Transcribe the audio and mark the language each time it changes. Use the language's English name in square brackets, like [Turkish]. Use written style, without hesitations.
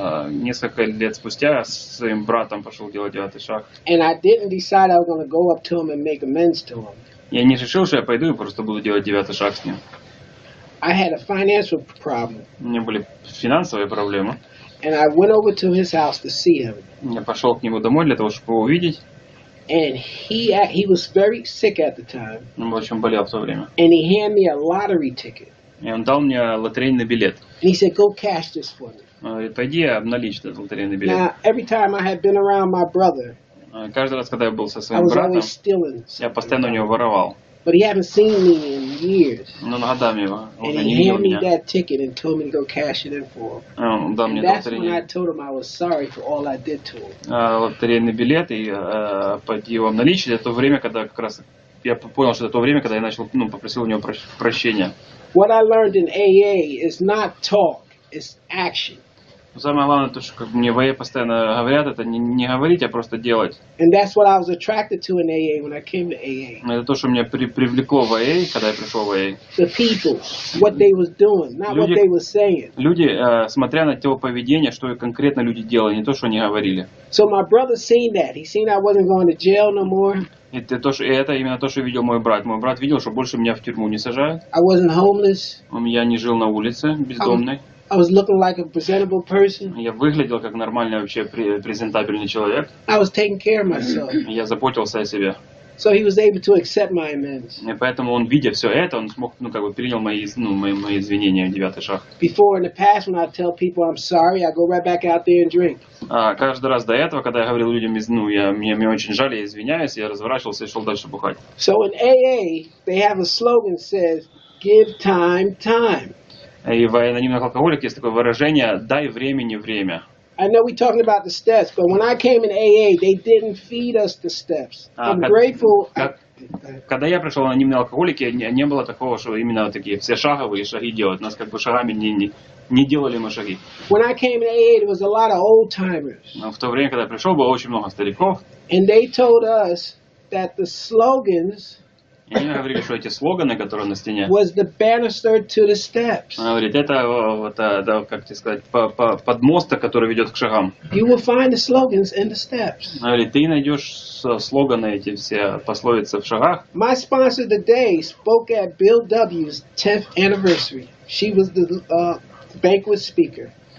[Russian] Несколько лет спустя я с своим братом пошел делать девятый шаг. [English] And I didn't decide I was gonna go up to him and make amends to him. [Russian] Я не решил, что я пойду и просто буду делать девятый шаг с ним. [English] I had a financial problem. [Russian] У меня были финансовые проблемы. [English] And I went over to his house to see him. [Russian] Я пошел к нему домой для того, чтобы его увидеть. [English] And he was very sick at the time. [Russian] Он очень болел в то время. [English] And he handed me a lottery ticket. [Russian] И он дал мне лотерейный билет. [English] And he said, "Go cash this for me." [Russian] Пойди обналичь этот лотерейный билет. [English] Now, every time I had been around my brother, [Russian] каждый раз, когда я был со своим братом, я постоянно у него воровал. [English] But he hadn't seen me in years. [Russian] Но на годами его уже не видел меня. [English] And he handed me that ticket and told me to go cash it in for him. [Russian] Он дал мне лотерейный. [English] That's when I told him I was sorry for all I did to him. [Russian] Лотерейный билет и пойди его обналичить. Это то время, когда как раз я понял, что это то время, когда я начал, ну, попросил у него прощения. [English] What I learned in AA is not talk, it's action. [Russian] Самое главное то, что как мне в АА постоянно говорят, это не говорить, а просто делать. [English] And that's what I was attracted to in AA when I came to AA. [Russian] Это то, что меня привлекло в АА, когда я пришел в АА. [English] The people, what they was doing, not what they was saying. [Russian] Люди, смотря на то поведение, что конкретно люди делали, не то, что они говорили. [English] So my brother seen that. He seen I wasn't going to jail no more. [Russian] Это именно то, что видел мой брат. Мой брат видел, что больше меня в тюрьму не сажают. [English] I wasn't homeless. [Russian] Я не жил на улице, бездомный. [English] I was looking like a presentable person. [Russian] Я выглядел как нормальный вообще презентабельный человек. [English] I was taking care of myself. [Russian] Я заботился о себе. [English] So he was able to accept my amends. [Russian] И поэтому он, видя все это, он смог, ну, как бы принял мои извинения в девятый шаг. [English] Before in the past when I tell people I'm sorry, I go right back out there and drink. [Russian] А каждый раз до этого, когда я говорил людям, ну, мне очень жаль, я извиняюсь, я разворачивался и шел дальше бухать. [English] So in AA they have a slogan that says give time time. [Russian] И в анонимных алкоголиках есть такое выражение «дай времени время». [English] I know we're talking about the steps, but when I came in AA, they didn't feed us the steps. I'm grateful. [Russian] Когда я пришел в анонимные алкоголики, не было такого, что именно такие все шаговые шаги делать. Нас как бы шагами не делали мы шаги. [English] When I came in AA, there was a lot of old-timers. [Russian] Но в то время, когда я пришел, было очень много стариков. [English] And they told us that the slogans... [Russian] И они говорили, что эти слоганы, которые на стене, [English] was the banister to the steps. [Russian] Она говорит, это как тебе сказать, подмосток, который ведет к шагам. [English] You will find the slogans in the steps. [Russian] Она говорит, ты найдешь слоганы эти все пословицы в шагах. [English] My sponsor today spoke at Bill W's 10th anniversary. She was the banquet speaker.